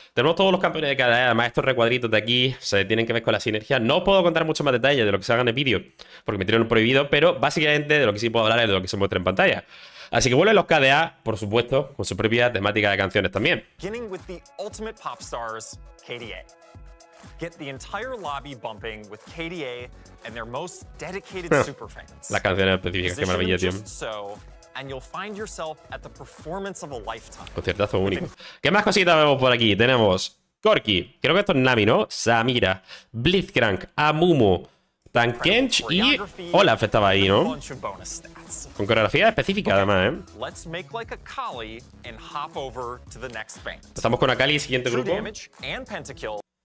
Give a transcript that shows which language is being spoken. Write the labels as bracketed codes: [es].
[es] Tenemos todos los campeones de KDA. Además, estos recuadritos de aquí se tienen que ver con la sinergia. No os puedo contar mucho más detalles de lo que se haga en el vídeo, porque me tienen prohibido, pero básicamente de lo que sí puedo hablar es de lo que se muestra en pantalla. Así que vuelven los KDA, por supuesto, con su propia temática de canciones también. [en] Beginning with the ultimate pop stars, KDA. Get the entire lobby bumping with KDA and their most dedicated superfans. [es] Las canciones específicas, qué maravilla, tío. [en] And you'll find yourself at the performance of a lifetime. [es] Conciertazo único. ¿Qué más cositas vemos por aquí? Tenemos Corki, creo que esto es Nami, ¿no? Samira, Blitzcrank, Amumu, Tankench y Olaf estaba ahí, ¿no? Con coreografía específica, además, ¿eh? Empezamos con Akali, siguiente grupo.